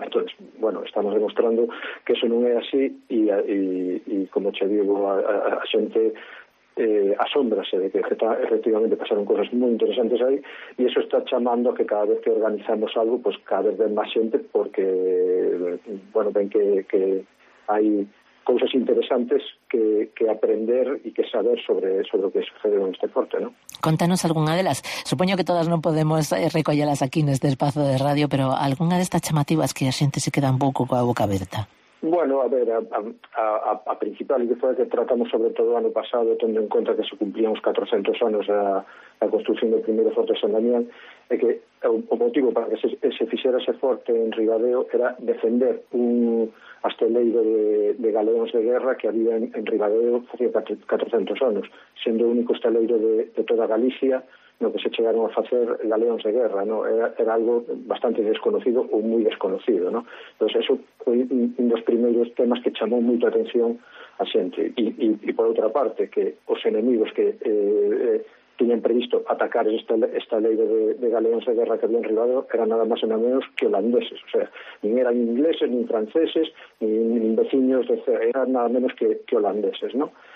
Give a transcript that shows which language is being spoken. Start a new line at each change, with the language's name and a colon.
Spanish: Entonces, bueno, estamos demostrando que eso non é así
Galician: e como che digo, a xente asómbrase
Spanish: de que efectivamente pasaron cosas muy interesantes ahí, y eso está chamando a que cada vez que organizamos algo, pues cada vez ven más gente porque, bueno, ven que hay cosas interesantes que aprender y que saber sobre lo que sucede en este deporte, ¿no? Contanos alguna de las, supongo que todas no podemos recollarlas aquí en este espacio de radio, pero alguna de estas chamativas que la gente se queda un poco con la boca abierta.
Galician: Bueno, a ver, a principal, que foi que tratamos sobre todo ano pasado, tendo en conta que se cumplían os 400 anos da construcción do primeiro forte de San Damián, é que o motivo para que se fixera ese forte en Ribadeo era defender un asteleiro de galeóns de guerra que había en Ribadeo facía 400 anos, sendo o único asteleiro de toda Galicia no que se chegaron a facer galeóns de guerra, ¿no? Era algo bastante desconocido ou moi desconocido, ¿no? Entonces eso foi un dos primeiros temas que chamou moito a atención a xente. E por outra parte, que os enemigos que tiñan previsto atacar esta lei de galeóns de guerra que habían rivado eran nada máis e nada menos que holandeses. O sea, nin eran ingleses, nin franceses, nin veciños, eran nada menos que holandeses, ¿no?